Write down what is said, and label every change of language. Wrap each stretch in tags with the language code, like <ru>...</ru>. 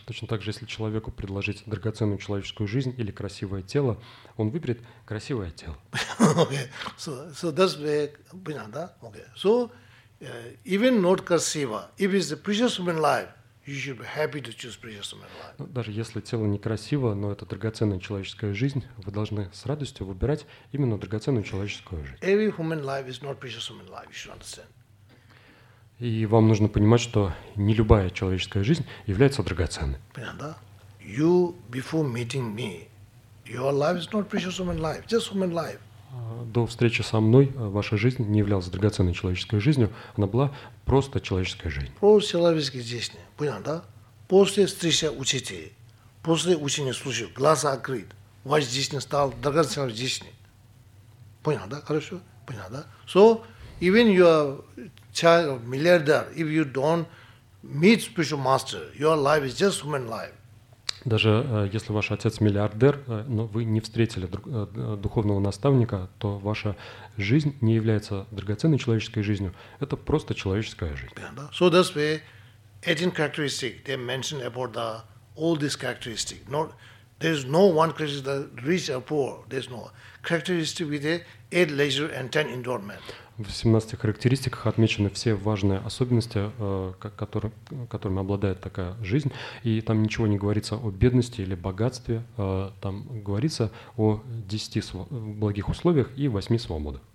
<ru>Точно так же, если человеку предложить драгоценную человеческую жизнь или красивое тело, он выберет красивое тело.</ru> <en>Okay. So that's where,</en> <ru>понял, да?</ru> <en>Okay. So even not красиво, if it's a precious human life, you should be happy to choose precious human life.</en> <ru>Ну, даже если тело некрасиво, но это драгоценная человеческая жизнь, вы должны с радостью выбирать именно драгоценную человеческую жизнь.</ru> <en>Every human life is not precious human life, you should understand.</en> <ru>И вам нужно понимать, что не любая человеческая жизнь является драгоценной. Понятно, да?</ru> <en>You before meeting me, your life is not precious human life, just human life.</en> <ru>До встречи со мной ваша жизнь не являлась драгоценной человеческой жизнью, она была просто человеческой жизнью. Просто человеческой жизни. Понятно, да? После встречи учителей, после учения случаев, глаза открыт, ваш жизнь стал драгоценной жизнью. Понятно, да? Хорошо? Понятно, да?</ru> <en>So, even you are child of milliarder, if you don't meet spiritual master, your life is just human life.</en> <ru>Даже если ваш отец миллиардер, но вы не встретили духовного наставника, то ваша жизнь не является драгоценной человеческой жизнью. Это просто человеческая жизнь.</ru> <en>Yeah, so that's why 18 characteristics, they mentioned about the all these characteristics. There's no one characteristic that rich or poor. There's no characteristic with 8 leisure and 10 endowment.</en> <ru>В 18 характеристиках отмечены все важные особенности, которыми обладает такая жизнь. И там ничего не говорится о бедности или богатстве. Там говорится о 10 благих условиях и 8 свободах.</ru>